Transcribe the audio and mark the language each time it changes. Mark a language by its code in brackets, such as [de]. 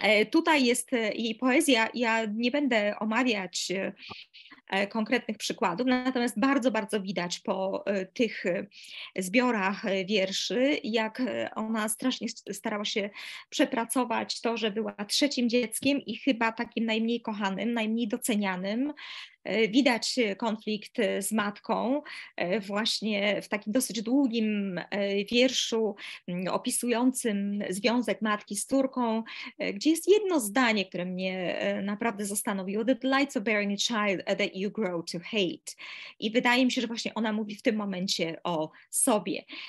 [pl] Tutaj jest jej poezja, ja nie będę omawiać konkretnych przykładów, natomiast bardzo, bardzo widać po tych zbiorach wierszy, jak ona strasznie starała się przepracować to, że była trzecim dzieckiem i chyba takim najmniej kochanym, najmniej docenianym. Widać konflikt z matką właśnie w takim dosyć długim wierszu opisującym związek matki z córką, gdzie jest jedno zdanie, które mnie naprawdę zastanowiło. [en] The delights of bearing a child that you grow to hate. [pl] I wydaje mi się, że właśnie ona mówi w tym momencie o sobie.